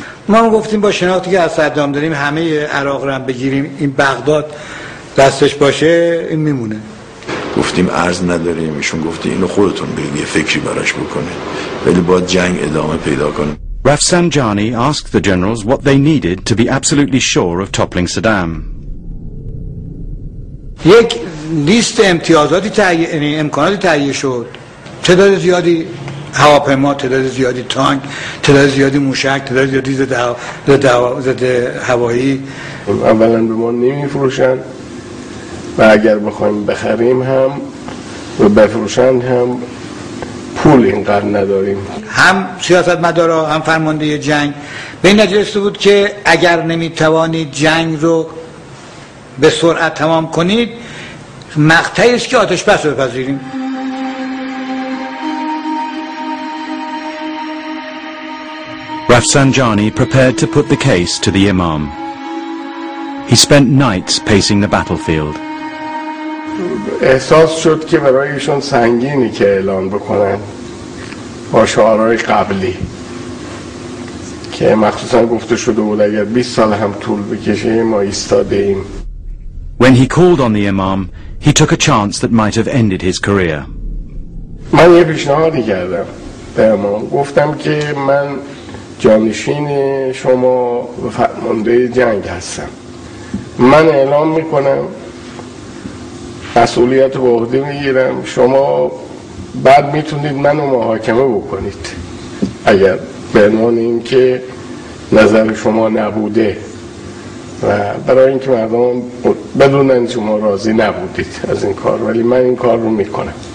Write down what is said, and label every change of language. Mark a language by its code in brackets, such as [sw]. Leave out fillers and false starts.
[fa] ما هم گفتیم با شناختی که از صدام داریم همه عراق رو هم بگیریم، این بغداد دستش باشه این میمونه. گفتیم عرض نداریم، ایشون گفتی اینو خودتون برید یه فکری براش بکنید، ولی باید جنگ ادامه پیدا کنه. [en] Rafsanjani asked the generals what they needed to be absolutely sure of toppling Saddam. [fa] یک لیست امتیازاتی تهیه، یعنی امکاناتی تهیه شد، تعداد زیادی هواپیما، تعداد زیادی تانک، تعداد زیادی موشک، تعداد زیادی ضد هوایی. اولا به ما نمی فروشن و اگر بخوایم بخریم هم و بفروشن هم پول اینقدر نداریم. هم سیاست مدارا هم فرمانده جنگ به این نجسته بود که اگر نمی توانید جنگ رو به سرعت تمام کنید، مقطعیش که آتش بس رو بپذیریم. [en] Rafsanjani prepared to put the case to the Imam. He spent nights pacing the battlefield. [fa] احساس شد که برایشون سنگینی که اعلان بکنن با شعارهای قبلی که مخصوصا گفته شده بود اگر 20 سال هم طول بکشه ما ایستاده ایم. [en] When he called on the Imam, he took a chance that might have ended his career. [fa] من یه پیشنهادی کردم به امام، گفتم که من جانشین شما و فرمانده جنگ هستم، من اعلام میکنم، مسئولیت رو به عهده میگیرم، شما بعد میتونید منو محاکمه بکنید اگر به عنوان این که نظر شما نبوده و برای اینکه مردم بدونن شما راضی نبودید از این کار، ولی من این کار رو میکنم.